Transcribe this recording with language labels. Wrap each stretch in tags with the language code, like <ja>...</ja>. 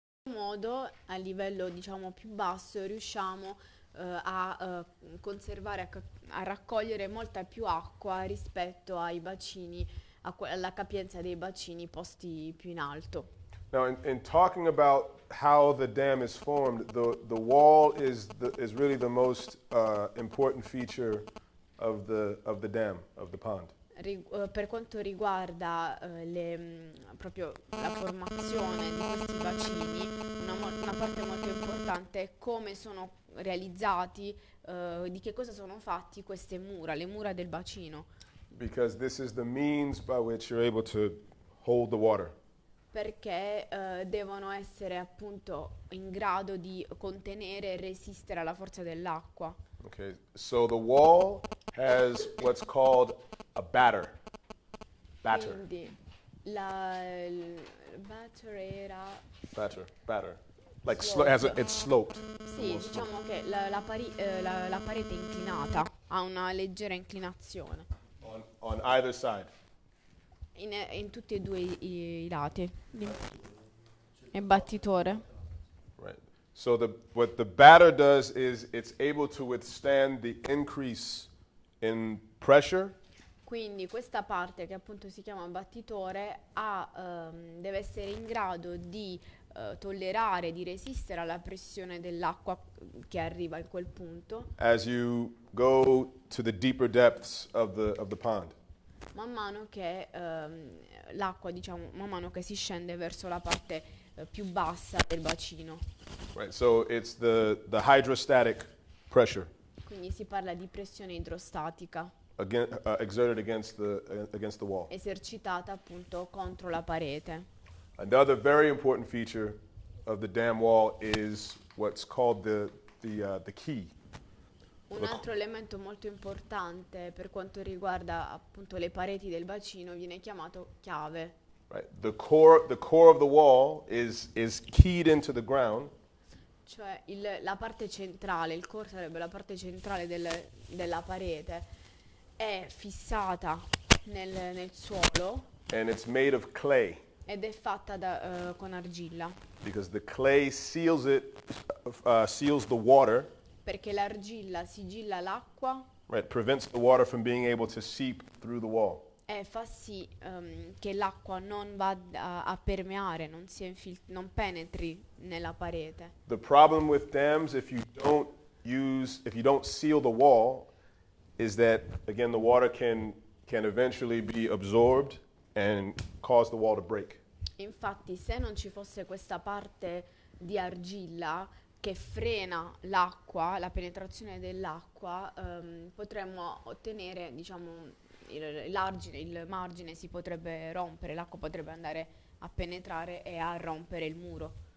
<it>modo, a livello diciamo più basso, riusciamo a conservare, a raccogliere molta più acqua rispetto ai bacini, alla capienza dei bacini posti più in alto.</it> <en>Now, in talking about how the dam is formed, the wall is really the most important feature of the dam, of the pond.</en> <it>Per quanto riguarda proprio la formazione di questi bacini, una parte molto importante è come sono realizzati, di che cosa sono fatti queste mura, le mura del bacino.</it> <en>Because this is the means by which you're able to hold the water.</en> <it>Perché devono essere appunto in grado di contenere e resistere alla forza dell'acqua.</it> <en>Okay, so the wall has what's called a batter. Batter.</en> <it>Quindi il batter era</it> <en>Batter, batter. Like slo has a, slope. it's sloped,</en> <it>Sì,</it> <en>almost sloped.</en> <it>diciamo che la parete è inclinata, ha una leggera inclinazione</it> <en>On either side.</en> <it>in tutti e due i lati. E battitore.</it> <en>So what the batter does is it's able to withstand the increase in pressure.</en> <it>Quindi questa parte che appunto si chiama battitore deve essere in grado di tollerare, di resistere alla pressione dell'acqua che arriva in quel punto.</it> <en>As you go to the deeper depths of the pond.</en> <it>Man mano che l'acqua, diciamo, man mano che si scende verso la parte più bassa del bacino.</it> <en>Right, so it's the hydrostatic pressure</en> <it>Quindi si parla di pressione idrostatica.</it> <en>exerted against the wall.</en> <it>Esercitata appunto contro la parete.</it> <en>Another very important feature of the dam wall is what's called the key.</en> <it>Un altro elemento molto importante per quanto riguarda appunto le pareti del bacino viene chiamato chiave.</it> <en>Right, the core of the wall is keyed into the ground.</en> <it>Cioè la parte centrale, il core sarebbe la parte centrale della parete, è fissata nel suolo</it> <en>And it's made of clay.</en> <it>ed è fatta con argilla. Perché</it> <en>Because the clay seals it, seals the water.</en> <it>l'argilla sigilla l'acqua</it> <en>Right, prevents the water from being able to seep through the wall.</en> <it>e fa sì che l'acqua non vada a permeare, non penetri nella parete.</it> <en>The problem with dams, if you don't seal the wall, is that, again, the water can eventually be absorbed and cause the wall to break.</en> <it>Infatti, se non ci fosse questa parte di argilla che frena l'acqua, la penetrazione dell'acqua, potremmo ottenere, diciamo, il margine si potrebbe rompere, l'acqua potrebbe andare a penetrare e a rompere il muro.</it>